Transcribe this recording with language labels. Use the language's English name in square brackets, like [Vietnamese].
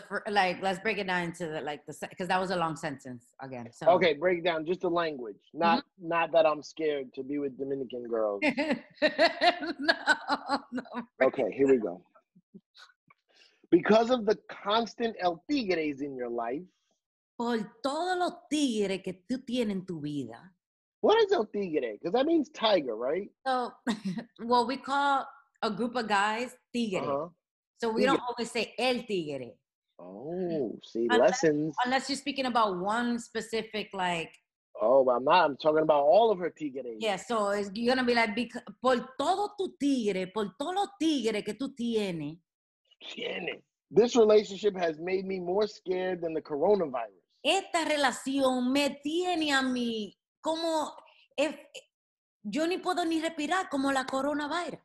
[English] Like, let's break it down into the because that was a long sentence again. So. Okay, break it down, just the language. Not that I'm scared to be with Dominican girls. No. Okay, here we go. Because of the constant El Tigres in your life. [Spanish] Por todos los tigres que tú tienes en tu vida. [English] What is El Tigre? Because that means tiger, right? So, what we call... A group of guys, tigre. Uh-huh. So we don't always say el tigre. Oh, see, unless, lessons. Unless you're speaking about one specific, like. Oh, well, I'm not. I'm talking about all of her tigres. Yeah, so you're going to be like, [Spanish] por todo tu tigre, por todo tigre que tú tienes. [English] This relationship has made me more scared than the coronavirus. [Spanish] Esta relación me tiene a mí como... Yo ni puedo ni respirar como la coronavirus.